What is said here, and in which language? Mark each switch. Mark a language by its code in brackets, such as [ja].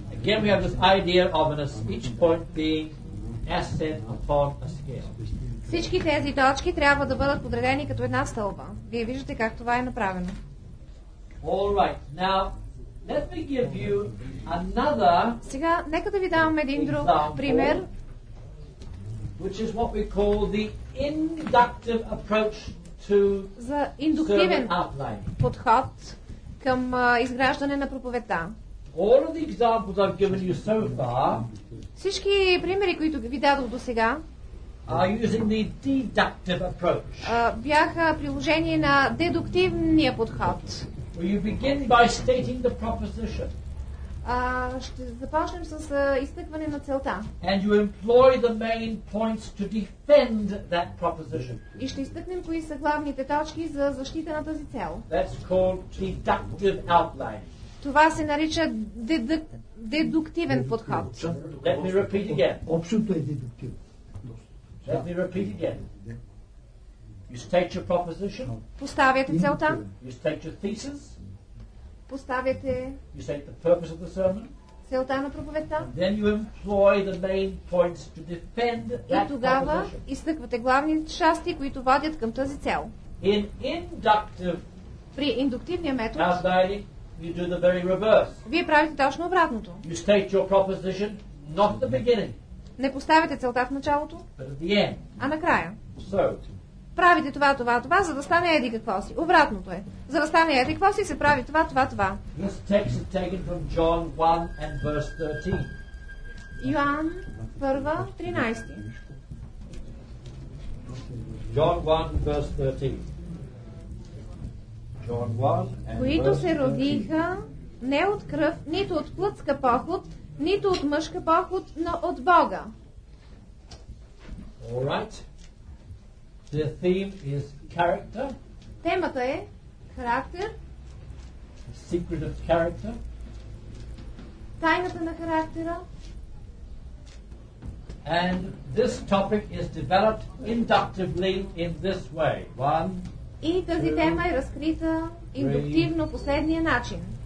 [en] Again, we have this idea of each point being ascent upon a scale. [bg] Всички тези точки трябва да бъдат подредени като една стълба. Вие виждате как това е направено. [en] All right. Now, let me give you another. [bg] Сега нека да ви дам един друг пример. [en] Which is what we call the inductive approach to [bg] за индуктивен подход към изграждане на проповедта. [en] All of the examples I've given you so far. [bg] Всички примери, които ви дадох до сега, [en] are using the deductive approach. [bg] Бяха приложение на дедуктивния подход. [en] Where you begin by stating the proposition. [bg] Ще започнем с изтъкване на целта. [en] And you employ the main points to defend that proposition. [bg] И ще изтъкнем кои са главните точки за защита на тази цел. [en] That's called deductive outline. [bg] Това се нарича дедуктивен подход. [en] Let me repeat again. [bg] Общото е дедуктивно. [en] Let me repeat again. You state your proposition. [bg] Поставяте целта. [en] You state your thesis. [bg] Поставяте. [en] You state the purpose of the sermon. [bg] Целта на проповедта. [en] Then you employ the main points to defend that proposition. [bg] И тогава изтъквате главните части, които водят към тази цел. [en] In inductive. [bg] При индуктивния метод. [en] Outline, you do the very reverse. [bg] Вие правите точно обратното. [en] You state your proposition not at the beginning. [bg] Не поставяте целта в началото, а накрая. [en] So, [bg] правите това, това, това, за да стане еди какво си. Обратното е. За да стане еди какво си, се прави това, това, това. [en] This text is taken from John 1 and verse 13. [bg] Йоан 1, 13. [en] John 1, verse 13. John 1 and [bg] които [en] verse 13. [bg] Се родиха не от кръв, нито от плътска поход, нито от мъжка поход, но от Бога. [en] All right. The theme is character. [bg] Темата е характер. [en] The secret of character. [bg] Тайната на характера. [en] And this topic is developed inductively in this way. One, [bg] и тази тема е разкрита индуктивно по следния начин.